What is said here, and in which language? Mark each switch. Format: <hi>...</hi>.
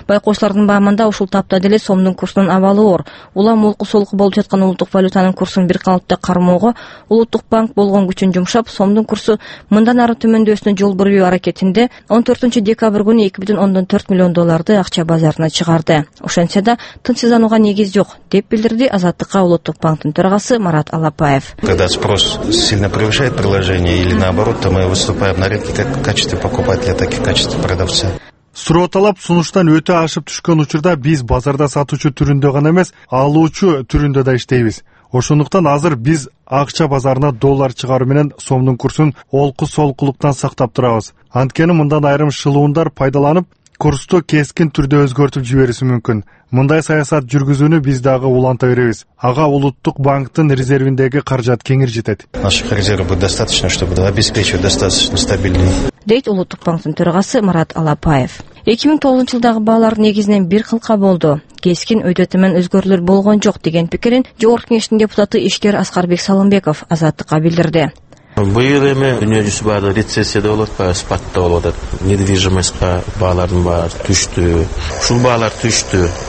<ky>Байкоочулардын баамында ушул тапта деле сомдун курсунун абалы оор. Улам олку солку болуп жаткан улуттук валютанын курсун бир калыпта кармоого Улуттук банк болгон күчүн жумшап, сомдун курсу мындан ары төмөндөөсүнө жол бербөө аракетинде 14-декабрь күнү 2.4 миллион долларды акча базарына чыгарды. Ошентсе да тынчсызданууга негиз жок, деп билдирди Азаттыкка Улуттук банктын төрагасы Марат Алапаев.</ky> <ru>Когда спрос сильно превышает предложение или наоборот, то мы выступаем на рынке как в качестве покупателя, так и в качестве продавца.</ru> <ky>Суроо талап сунуштан өтө ашып түшкөн учурда биз базарда сатуучу түрүндө гана эмес, алуучу түрүндө да иштейбиз. Ошондуктан азыр биз акча базарына доллар чыгаруу менен сомдун курсун олку-солкулуктан сактап турабыз. Анткени мындан айрым шылуундар пайдаланып, курсту кескин түрдө өзгөртүп жибериши мүмкүн. Мындай саясат жүргүзүүнү биз дагы уланта беребиз. Ага улуттук банктын резервиндеги каражат кеңир жетет.</ky> <ru>Наших резервов достаточно, чтобы обеспечить достаточно стабильный.</ru> <ky>Дейт улуттук банктын төрагасы Марат Алапаев. 2009 жылдагы баалар негизинен бир кылка болду. Кескин өйдөтүмөн өзгөрүүлөр болгон жок деген пикирин Жогорку Кеңештин депутаты ишкер Аскарбек Салымбеков азаттыкка билдирди. Быйыл эми дүйнөжүзү баары рецессияда болуп атпайбы, спадта болуп атат. Недвижимостька бааларын баары түштү. Ушул баалар түштү.</ky>